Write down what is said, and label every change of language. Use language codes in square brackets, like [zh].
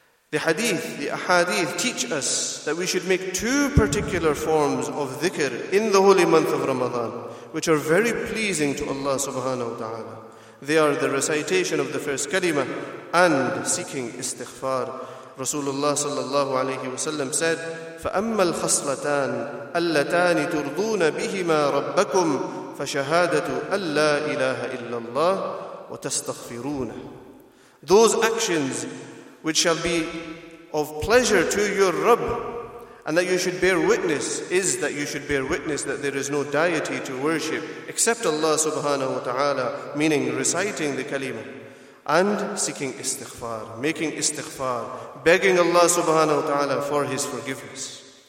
[en] The ahadith teach us that we should make two particular forms of dhikr in the holy month of Ramadan, which are very pleasing to Allah subhanahu wa ta'ala. They are the recitation of the first kalima and seeking istighfar. Rasulullah sallallahu alayhi wa sallam said, [ar] فَأَمَّا الْخَصْلَتَانِ اللَّتَانِ تُرْضُونَ بِهِمَا رَبَّكُمْ فَشَهَادَةُ أَلَّا إِلَهَ إِلَّا اللَّهِ وَتَسْتَغْفِرُونَ. [en] Those actions which shall be of pleasure to your Rabb and that you should bear witness is that you should bear witness that there is no deity to worship except Allah subhanahu wa ta'ala, meaning reciting the kalima and seeking istighfar, making istighfar, begging Allah subhanahu wa ta'ala for his forgiveness.